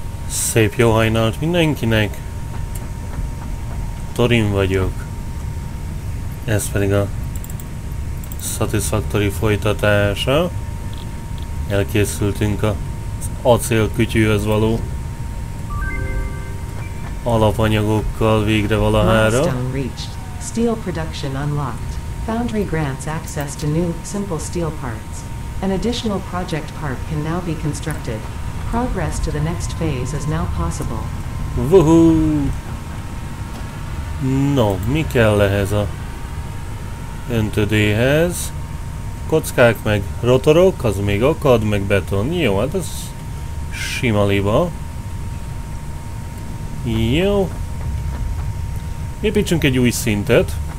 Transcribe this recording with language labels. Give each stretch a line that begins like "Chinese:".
Hungarian: Szép jó hajnalt mindenkinek! Torin vagyok. Ez pedig a Satisfactory folytatása. Elkészültünk az acélkütyűhöz való alapanyagokkal végre valahára.
English: Milestone reached. Steel production unlocked. Foundry grants access to new, simple steel parts. An additional project part can now be constructed. Progress to the next phase is now possible. Woohoo!
Hungarian: No, mi kell ehhez a öntödéhez? Kockák meg rotorok, az még akad, meg beton. Jó, hát ez sima liba. Jó. Építsünk egy új szintet.